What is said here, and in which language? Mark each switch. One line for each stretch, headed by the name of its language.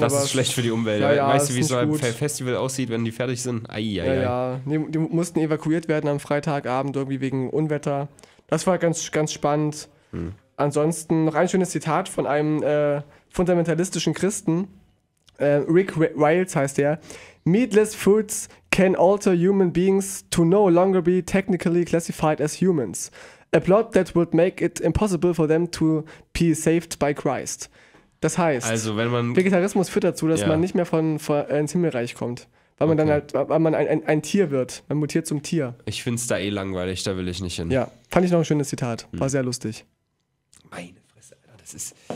German: Das aber ist schlecht für die Umwelt. Ja, weißt du, wie so ein Festival aussieht, wenn die fertig sind? Eieiei. Ja. Nee, die mussten evakuiert werden am Freitagabend irgendwie wegen Unwetter. Das war ganz, ganz spannend. Hm. Ansonsten noch ein schönes Zitat von einem fundamentalistischen Christen. Rick Riles heißt der.
English: Meatless foods can alter human beings to no longer be technically classified as humans. A plot that would make it impossible for them to be saved by Christ.
German: Das heißt, also wenn man, Vegetarismus führt dazu, dass man nicht mehr ins Himmelreich kommt. Weil man dann halt, weil man ein Tier wird. Man mutiert zum Tier. Ich finde es da eh langweilig, da will ich nicht hin. Ja, fand ich noch ein schönes Zitat. War sehr lustig. Meine Fresse, Alter, das ist.